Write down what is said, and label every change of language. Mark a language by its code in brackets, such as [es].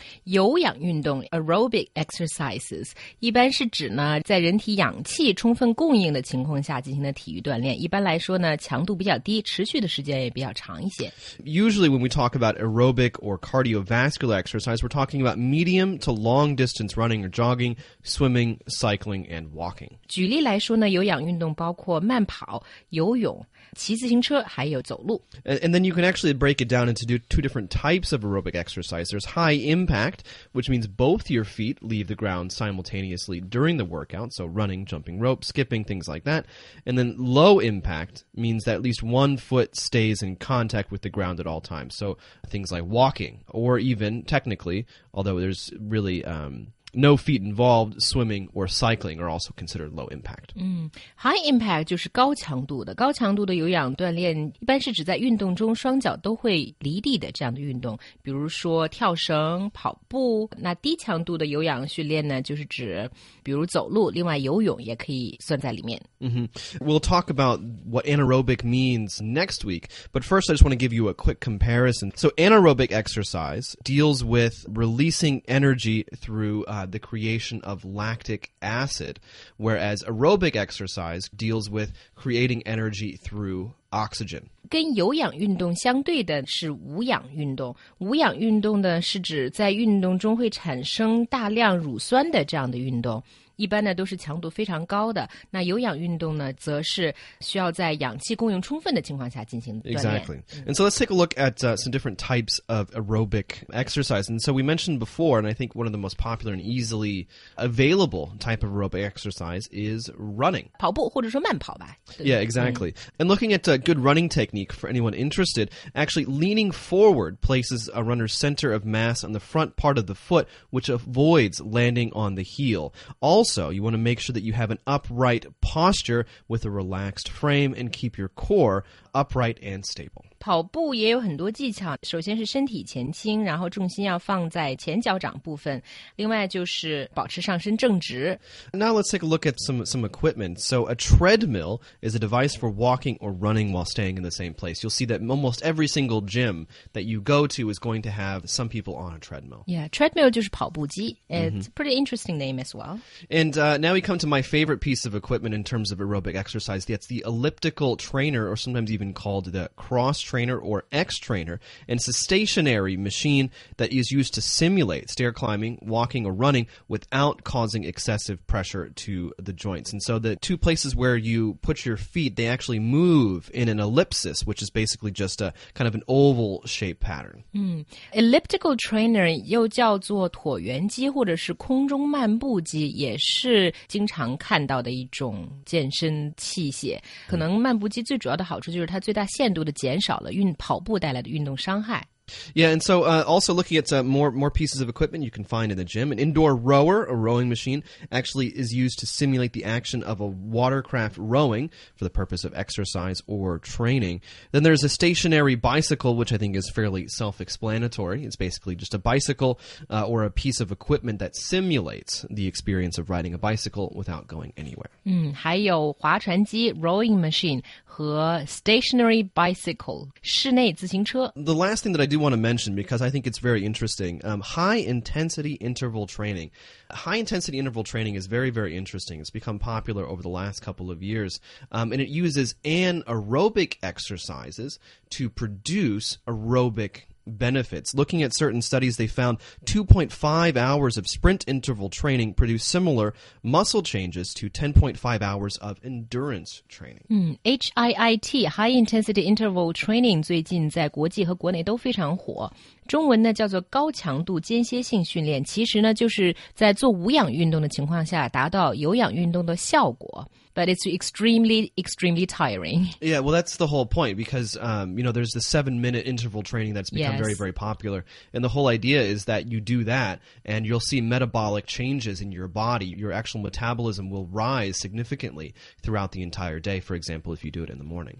[zh] 有氧运动 aerobic exercises 一般是指呢在人体氧气充分供应的情况下进行的体育锻炼一般来说呢强度比较低持续的时间也比较长一些 [en] Usually when we talk about aerobic or cardiovascular exercise we're talking about medium to long distance running or jogging swimming, cycling, and walking [zh] 举例来说呢有氧运动包括慢跑游泳骑自行车还有走路 [en] And then you can actually break it down into two different types of aerobic exercise there's high impact, which means both your feet leave the ground simultaneously during the workout, so running, jumping rope, skipping, things like that. And then low impact means that at least one foot stays in contact with the ground at all times, so things like walking, or even technically, although there's really... No feet involved, swimming or cycling are also considered low impact. [zh] High impact 就是高强度的。高强度的有氧锻炼一般是指在运动中双脚都会离地的这样的运动。比如说跳绳、跑步。那低强度的有氧训练呢就是指比如走路另外游泳也可以算在里面。 [en] We'll talk about what anaerobic means next week, but first I just want to give you a quick comparison. So anaerobic exercise deals with releasing energy throughthe creation of lactic acid, whereas aerobic exercise deals with creating energy through oxygen. [zh] 跟有氧运动相对的是无氧运动。无氧运动呢是指在运动中会产生大量乳酸的这样的运动。一般呢都是强度非常高的那有氧运动呢则是需要在氧气供应充分的情况下进行锻炼 [en] Exactly. And so let's take a look at some different types of aerobic exercise. And so we mentioned before, and I think one of the most popular and easily available type of aerobic exercise is running. [zh] 跑步或者说慢跑吧。 [en] Yeah, exactly. And looking at a good running technique for anyone interested, actually leaning forward places a runner's center of mass on the front part of the foot, which avoids landing on the heel. Also, you want to make sure that you have an upright posture with a relaxed frame and keep your core upright and stable. [zh] 跑步也有很多技巧。首先是身体前倾，然后重心要放在前脚掌部分。另外就是保持上身正直。 [en] Now let's take a look at some equipment. So a treadmill is a device for walking or running while staying in the same place. You'll see that almost every single gym that you go to is going to have some people on a treadmill. [zh] Yeah, treadmill 就是跑步机。 [en] It's a pretty interesting name as well. And now we come to my favorite piece of equipment in terms of aerobic exercise. That's the elliptical trainer, or sometimes even called the cross trainer or X trainer. And it's a stationary machine that is used to simulate stair climbing, walking, or running without causing excessive pressure to the joints. And so the two places where you put your feet, they actually move in an ellipsis, which is basically just a kind of an oval shape pattern. [zh] Elliptical trainer 又叫做椭圆机或者是空中漫步机。也是经常看到的一种健身器械可能漫步机最主要的好处就是它最大限度的减少了运跑步带来的运动伤害 [en] Yeah, and so also looking at more pieces of equipment you can find in the gym, an indoor rower, a rowing machine, actually is used to simulate the action of a watercraft rowing for the purpose of exercise or training. Then there's a stationary bicycle, which I think is fairly self-explanatory. It's basically just a bicycle or a piece of equipment that simulates the experience of riding a bicycle without going anywhere. [zh] 还有划船机 rowing machine 和 stationary bicycle, 室内自行车。 [en] The last thing that I do want to mention, because I think it's very interesting, high-intensity interval training. High-intensity interval training is very, very interesting. It's become popular over the last couple of years, and it uses anaerobic exercises to produce aerobic benefits. Looking at certain studies, they found 2.5 hours of sprint interval training produce similar muscle changes to 10.5 hours of endurance training. [zh] HIIT, High Intensity Interval Training, 最近在国际和国内都非常火。中文呢叫做高强度间歇性训练，其实呢就是在做无氧运动的情况下达到有氧运动的效果。 [en] but it's extremely, extremely tiring. Yeah, well, that's the whole point because, you know, there's the 7-minute interval training that's become very, very popular. And the whole idea is that you do that and you'll see metabolic changes in your body. Your actual metabolism will rise significantly throughout the entire day, for example, if you do it in the morning.